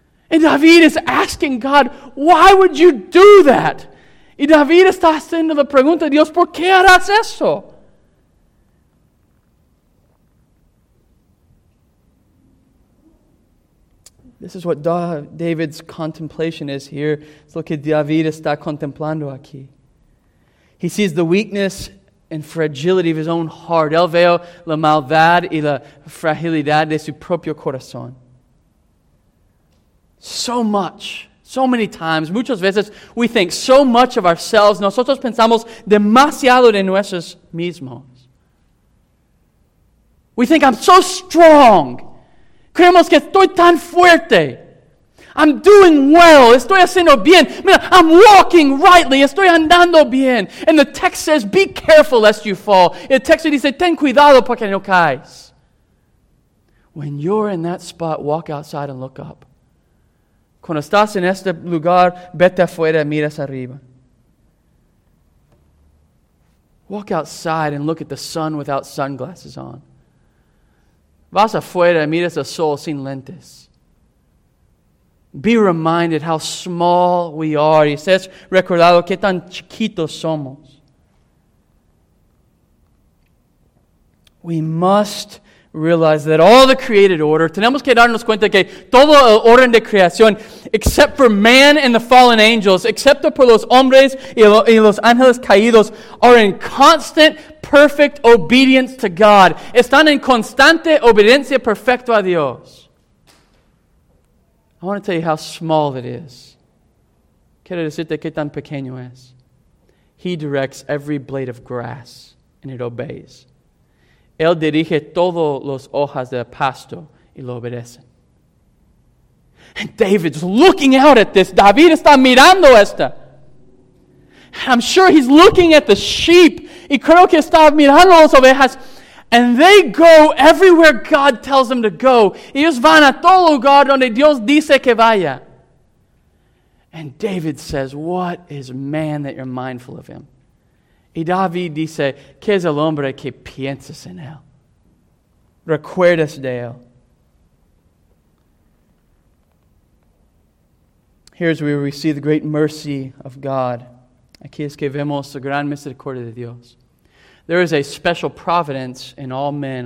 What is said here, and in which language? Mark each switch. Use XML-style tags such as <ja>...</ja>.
<en>And David is asking God, why would you do that?</en> <es>Y David está haciendo la pregunta, Dios, ¿por qué harás eso?</es> <en>This is what David's contemplation is here.</en> <es>Es lo que David está contemplando aquí.</es> <en>He sees the weakness and fragility of his own heart.</en> <es>Él veo la maldad y la fragilidad de su propio corazón.</es> <en>So much, so many times,</en> <es>muchas veces,</es> <en>we think so much of ourselves.</en> <es>Nosotros pensamos demasiado de nuestros mismos.</es> <en>We think, I'm so strong.</en> <es>Creemos que estoy tan fuerte.</es> <en>I'm doing well.</en> <es>Estoy haciendo bien. Mira,</es> <en>I'm walking rightly.</en> <es>Estoy andando bien.</es> <en>And the text says, be careful lest you fall.</en> <es>El texto dice, ten cuidado porque no caes.</es> <en>When you're in that spot, walk outside and look up.</en> <es>Cuando estás en este lugar, vete afuera y miras arriba.</es> <en>Walk outside and look at the sun without sunglasses on.</en> <es>Vas afuera y miras el sol sin lentes.</es> <en>Be reminded how small we are.</en> <es>Y seas recordado qué tan chiquitos somos.</es> <en>We must realize that all the created order,</en> <es>tenemos que darnos cuenta que todo el orden de creación,</es> <en>except for man and the fallen angels,</en> <es>excepto por los hombres y los ángeles caídos,</es> <en>are in constant perfect obedience to God.</en> <es>Están en constante obediencia perfecta a Dios.</es> <en>I want to tell you how small it is.</en> <es>Quiero decirte qué tan pequeño es.</es> <en>He directs every blade of grass and it obeys.</en> <es>Él dirige todos los hojas del pasto y lo obedecen.</es> <en>And David's looking out at this.</en> <es>David está mirando esta.</es> <en>I'm sure he's looking at the sheep.</en> <es>Y creo que está mirando las ovejas.</es> <en>And they go everywhere God tells them to go.</en> <es>Ellos van a todo lugar donde Dios dice que vaya.</es> <en>And David says, what is man that you're mindful of him?</en> <es>Y David dice, ¿qué es el hombre que piensas en él? Recuerdas de él.</es> <en>Here's where we see the great mercy of God.</en> <es>Aquí es que vemos la gran misericordia de Dios.</es> <en>There is a special providence in all men.</en>